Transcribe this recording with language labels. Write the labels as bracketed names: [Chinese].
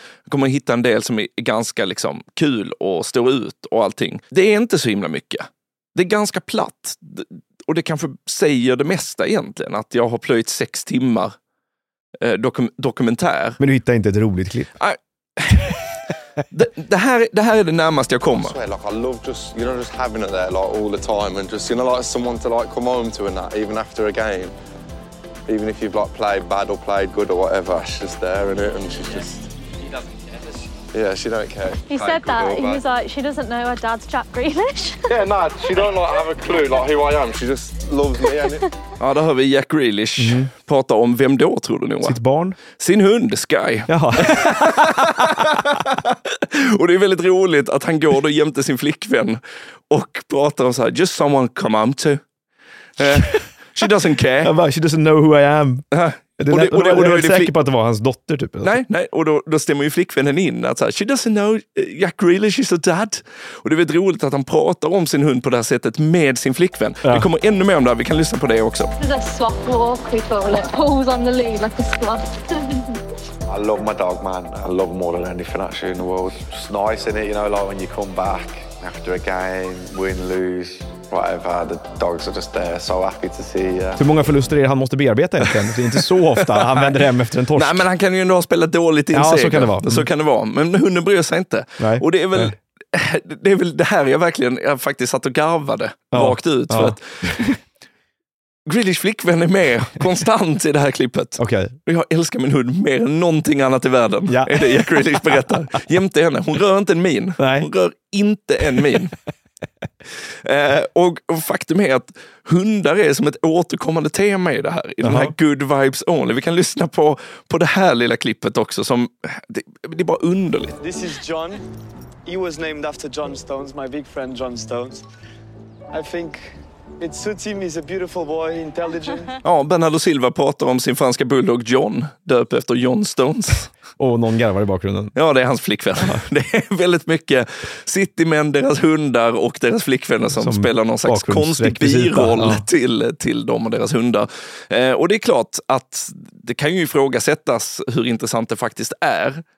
[Swedish] Jag kommer hitta en del som är ganska liksom kul och står ut och allting. Det är inte så himla mycket. Det är ganska platt. Och det kanske säger det mesta egentligen, att jag har plöjt 6 timmar dokumentär. Men du hittar inte ett roligt klipp? Nej. Det här är det närmaste jag kommer. [English] Like, I love just, you know, just having it there like all the time and just, you know, like someone to like come home to and that, even after a game. Even if you've like played bad or played good or whatever, she's there in it and she's just... Yeah, she don't care. He said that. He was like, she doesn't know her dad's Jack Grealish. Yeah, no, she don't like have a clue like who I am. She just loves me. [Swedish] Ja, då hör vi Jack Grealish prata om vem då, tror du, Noah? Sitt barn? Sin hund, Sky. Jaha. Och det är väldigt roligt att han går då jämte sin flickvän och pratar om så här, just someone come home to. [English] She doesn't care. Yeah, she doesn't know who I am. [Swedish] Och då är du säker på att det var hans dotter typ. Nej, och då stämmer ju flickvännen in att så här, she doesn't know Jack Grealish is a dad. Och det är väldigt roligt att han pratar om sin hund på det här sättet med sin flickvän. Ja. Vi kommer ännu mer om det här. Vi kan lyssna på det också. [English] There's a swap walk people that pulls on the lead like a swap. I love my dog, man. I love him more than anything actually in the world. It's nice, isn't it? You know, like when you come back after a game, win, lose. Whatever, the dogs are just there, so happy to see you. [Swedish] Hur många förluster är det han måste bearbeta egentligen? Det är inte så ofta han vänder hem efter en torsk. Nej, men han kan ju ändå ha spelat dåligt i en seger. Ja, så kan det vara. Så kan det vara, men hunden bryr sig inte. Nej. Och det är väl... Nej. Det är väl det här jag faktiskt satt och garvade rakt ut. För att Grealish flickvän är med konstant i det här klippet. Okay. Och jag älskar min hund mer än någonting annat i världen. Ja. Är det jag Grealish berättar. Jämte henne. Hon rör inte en min. Nej. Hon rör inte en min. Och faktum är att hundar är som ett återkommande tema i det här. I den här good vibes only. Vi kan lyssna på det här lilla klippet också. Som, det är bara underligt. [English] This is John. He was named after John Stones, my big friend John Stones. I think it suits him, he's a beautiful boy, intelligent. [Swedish] Ja, Bernardo Silva pratar om sin franska bulldog John, döpt efter John Stones. Och någon garvar i bakgrunden. Ja, det är hans flickvän. Det är väldigt mycket citymän, deras hundar och deras flickvänner som spelar någon slags konstig biroll till dem och deras hundar. Och det är klart att det kan ju ifrågasättas hur intressant det faktiskt är.